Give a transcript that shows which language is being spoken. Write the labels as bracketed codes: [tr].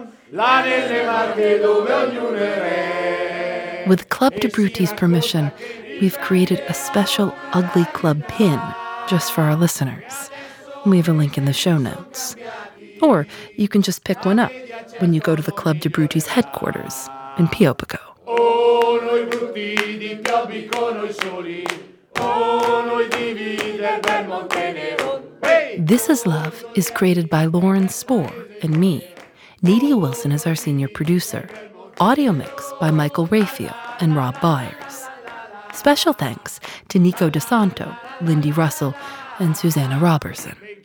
[it] Là nelle Marche dove ognuno è re. [en] With Club De Bruti's permission, we've created a special Ugly Club pin just for our listeners. We have a link in the show notes. Or you can just pick one up when you go to the Club De Bruti's headquarters in Pio Pico. [it] Oh, noi brutti di Pio Pico, noi soli. Oh, noi divi del bel Montenegro. [en] This Is Love is created by Lauren Spohr and me. Nadia Wilson is our senior producer. Audio mix by Michael Raphael and Rob Byers. Special thanks to Nico DeSanto, Lindy Russell, and Susanna Robertson.